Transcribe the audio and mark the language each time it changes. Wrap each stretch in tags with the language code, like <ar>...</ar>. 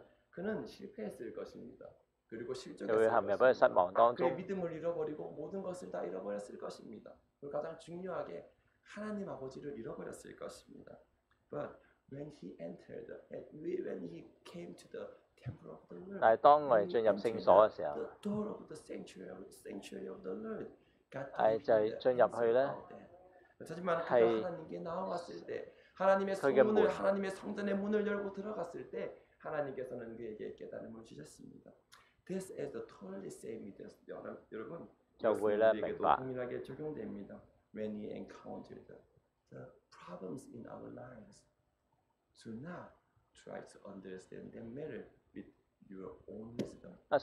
<ko>그는 실패했을 것입니다. 그리고 실족했습니다. 그의 믿음을 잃어버리고 모든 것을 다 잃어버렸을 것입니다. 그리고 가장 중요하게 하나님 아버지를 잃어버렸을 것입니다.</ko> <en>But when he entered, when he came to the temple of the Lord,</en> <zh>但係當我哋進入聖所嘅時候，</zh> <en>the door of the sanctuary of the Lord,</en> <zh>就係進入去咧，係。</zh> <ko>하나님께 나아갔을 때， 하나님의 성문을 하나님의 성전의 문을 열고 들어갔을 때， 하나님께서는 그에게 깨달음을 주셨습니다.</ko> <en>This is the totally same with us.</en> <ko>여러분, 우리에게도 동일하게 적용됩니다.</ko> <en>When we encounter the problems in our lives, do not try to understand them better with your own wisdom.</en>